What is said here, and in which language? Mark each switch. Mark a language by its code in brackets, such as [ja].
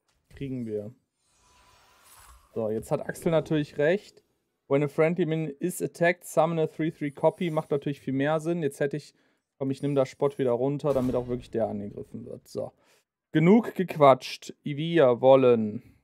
[de] Kriegen wir. So, jetzt hat Axel natürlich recht. [en] When a friendly minion is attacked, summon a 3-3 copy. [de] Macht natürlich viel mehr Sinn. Jetzt hätte ich. Komm, ich nehme da Spot wieder runter, damit auch wirklich der angegriffen wird. So. Genug gequatscht. Wir wollen.